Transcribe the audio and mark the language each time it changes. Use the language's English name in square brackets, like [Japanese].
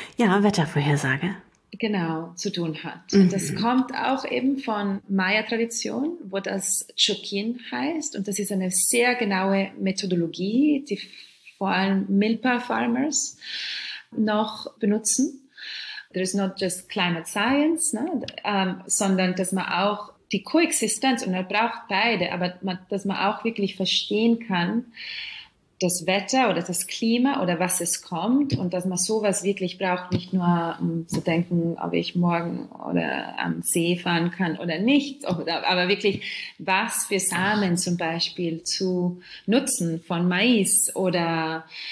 [German] Ja, Wettervorhersage. Genau, zu tun hat. Mhm. Das kommt auch eben von Maya-Tradition, wo das Chokin heißt. Und das ist eine sehr genaue Methodologie, die vor allem Milpa-Farmers noch benutzen. [English] There is not just climate science, ne? [German] Sondern dass man auch die Koexistenz, und man braucht beide, aber dass man auch wirklich verstehen kann, das Wetter oder das Klima oder was es kommt und dass man sowas wirklich braucht, nicht nur um zu denken, ob ich morgen oder am See fahren kann oder nicht, aber wirklich, was für Samen zum Beispiel zu nutzen von Mais oder